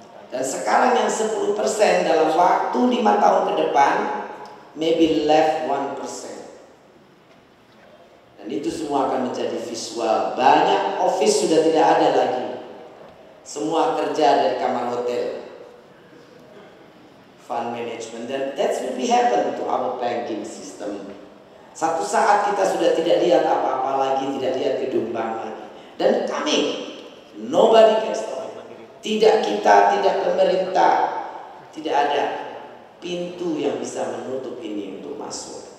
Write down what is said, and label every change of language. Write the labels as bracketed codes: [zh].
[id] Dan sekarang yang 10% dalam waktu 5 tahun ke depan [en] maybe left 1%. [id] Dan itu semua akan menjadi visual. Banyak office sudah tidak ada lagi. Semua kerja dari kamar hotel. [en] Fund management, dan that will be happen to our banking system. [id] Satu saat kita sudah tidak lihat apa-apa lagi, tidak lihat gedung bank lagi. Dan kami, [en] nobody can stop. [id] Tidak kita, tidak pemerintah, tidak ada pintu yang bisa menutup ini untuk masuk.